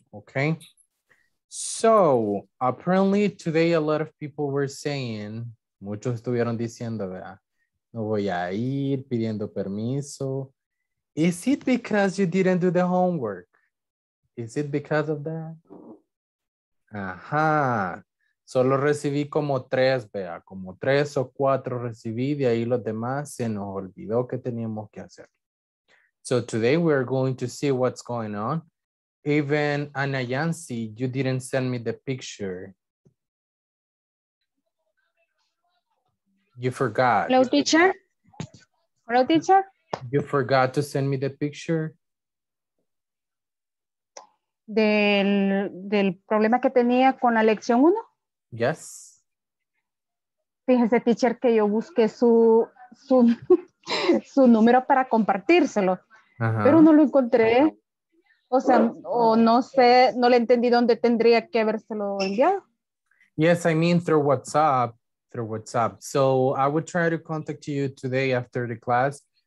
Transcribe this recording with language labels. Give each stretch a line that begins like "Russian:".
English: Okay. So apparently today a lot of people were saying,
Spanish: muchos estuvieron diciendo, ¿verdad? No voy a ir pidiendo permiso.
English: Is it because you didn't do the homework? Is it because of that? Ajá.
Spanish: Solo recibí como tres, vea, como tres o cuatro recibí, de ahí los demás se nos olvidó que teníamos que hacer.
English: So today we are going to see what's going on. Even Ana Yancy, you didn't send me the picture. You forgot. Hello, teacher. Hello, teacher. You forgot to send me the picture.
Spanish: Del problema que tenía con la lección 1?
English: Yes.
Spanish: Fíjese, teacher, que yo busqué su número para compartírselo. Uh-huh. Pero no lo encontré. O sea, o no sé, no le entendí dónde tendría que habérselo enviado.
English: Yes, I mean through WhatsApp. Through WhatsApp. So I would try to contact you today after the class.